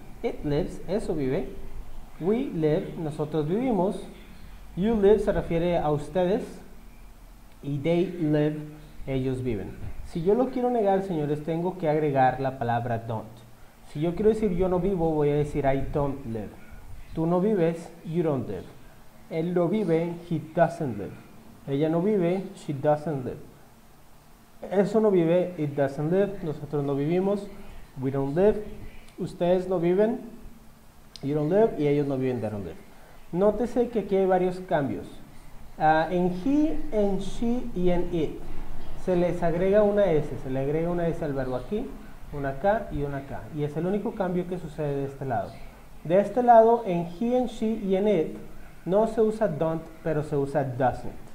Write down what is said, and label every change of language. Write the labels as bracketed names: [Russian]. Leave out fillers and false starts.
[English] It lives, [Spanish] eso vive. [English] We live, [Spanish] nosotros vivimos. [English] You live [Spanish] se refiere a ustedes. Y [English] they live, [Spanish] ellos viven. Si yo lo quiero negar, señores, tengo que agregar la palabra don't. Si yo quiero decir yo no vivo, voy a decir [English] I don't live. [Spanish] Tú no vives, [English] you don't live. [Spanish] Él no vive, [English] he doesn't live. [Spanish] Ella no vive, [English] she doesn't live. [Spanish] Eso no vive, [English] it doesn't live. [Spanish] Nosotros no vivimos, [English] we don't live. [Spanish] Ustedes no viven, [English] you don't live. [Spanish] Y ellos no viven, [English] they don't live. [Spanish] Nótese que aquí hay varios cambios. En he, en she y en it, se les agrega una S. Se le agrega una S al verbo aquí, una acá y una acá. Y es el único cambio que sucede de este lado. De este lado, en he, en she y en it, no se usa don't, pero se usa doesn't.